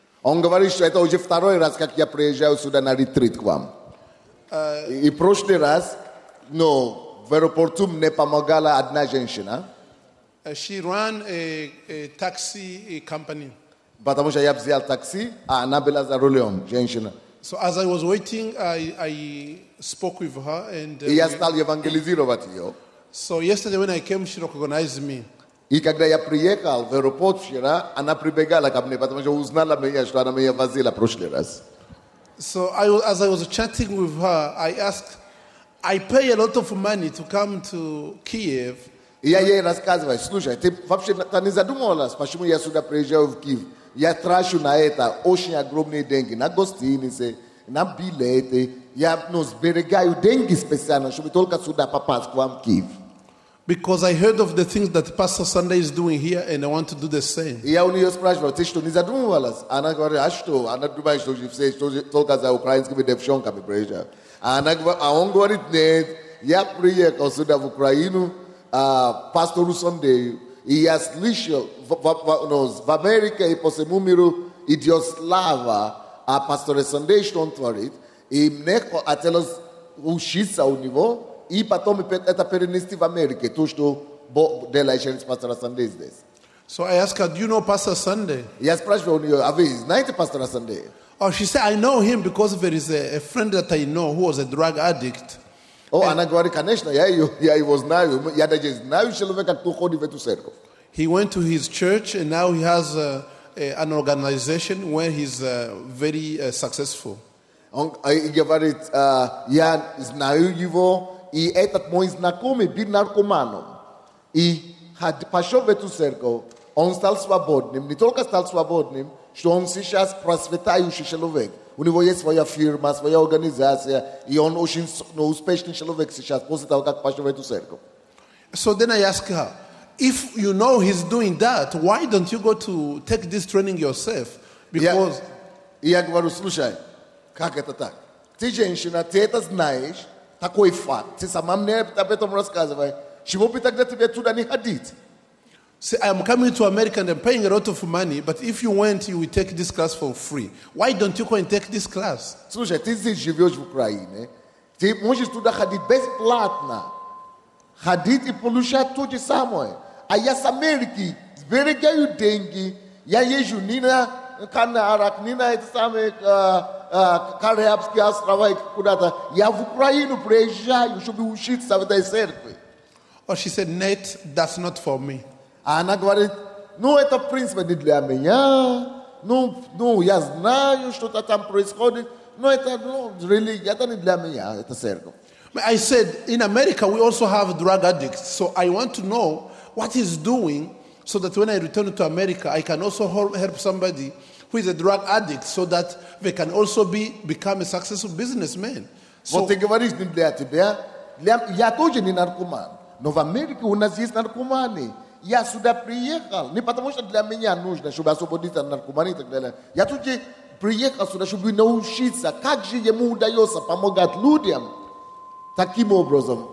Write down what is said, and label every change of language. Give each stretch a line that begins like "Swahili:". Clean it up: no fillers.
Russian: Он говорит, что это уже второй раз, как я приезжаю сюда на ретрит к вам. И прошлый раз, но в аэропорту мне помогала одна женщина.
English: She ran a taxi company.
Russian: Потому что я взял такси, а она была за рулем, женщина.
English: So as I was waiting, I spoке with her. And,
Russian: и я стал евангелизировать ее.
English: So yesterday when I came, she recognized me.
Russian: И когда я приехал в аэропорт вчера, она прибегала ко мне, потому что узнала меня, что она меня возила в прошлый раз.
English: So I, as I was chatting with her, I asked, I pay a lot of money to come to Kiev.
Russian: И я ей рассказываю, слушай, ты вообще ты не задумывалась, почему я сюда приезжаю в Киев? Я трачу на это очень огромные деньги, на гостиницы, на билеты. Я, ну, сберегаю деньги специально, чтобы только сюда попасть к вам в Киев.
English: Because I heard of the things that Pastor Sandei is doing here, and I want to do the same.
Russian: Я у нее спрашивал, ты что не задумывалась? Она говорит, а что? Она думает, что же все, что только за украинскими девчонками приезжают. А он говорит, нет, я приехал сюда в Украину, пастору Сандею, и я слышал, в Америке и по всему миру идет слава о пасторе Сандее, что он творит, и мне хотелось учиться у него. И потом это перенести в Америке, то, что Бог делает с пастором Сандей здесь.
English: So I ask her, do you know Pastor Sandei?
Russian: Я спрашиваю у нее, а вы знаете пастора Сандей?
English: Oh, she said, I know him because there is a friend that I know who was a drug addict. Oh, and
Russian: она говорит, конечно, я его знаю. Я даже знаю человека, кто ходит в эту церковь.
English: He went to his church and now he has an organization where he's very successful.
Russian: Он говорит, я знаю его. И этот мой знакомый был наркоманом. И пошел в эту церковь, он стал свободным. Не только стал свободным, что он сейчас просветающий человек. У него есть своя фирма, своя организация. И он очень, ну, успешный человек сейчас, после того, как пошел в эту церковь.
English: So then I ask her, if you know he's doing that, why don't you go to take this training yourself? Because...
Russian: И я говорю, слушай, как это так? Ты женщина, ты это знаешь. Takoifa. Since I'm near the Beto Moraskazava, she won't be taking that to be a Tudani Hadith.
English: See, I'm coming to America and I'm paying a lot of money, but if you went, you would take this class for free. Why don't you go and take this class?
Russian: Слушай, ты здесь живешь в Украине. Ты можешь туда ходить бесплатно. Ходить и получать то же самое. А я с Америки. Сберегаю деньги. Я езжу ни на Канарах, ни на эти самые Карибские острова и куда-то. Я в Украину приезжаю, чтобы учиться в этой церкви.
English: Oh, she said, Nate, that's not for me.
Russian: Она говорит, ну, это, в принципе, не для меня. Ну, я знаю, что-то там происходит. Но это, ну, религия, это не для меня, это церковь.
English: I said, in America, we also have drug addicts. So I want to know what he's doing so that when I return to America, I can also help somebody who is a drug addict so that they can also become a successful businessman.
Russian: So, вот ты говоришь, не для тебя. Я тоже не наркоман. Но в Америке у нас есть наркоманы. Я сюда приехал не потому, что для меня нужно, чтобы освободиться от наркомании и так далее. Я тут же приехал сюда, чтобы научиться, как же ему удается помогать людям таким образом.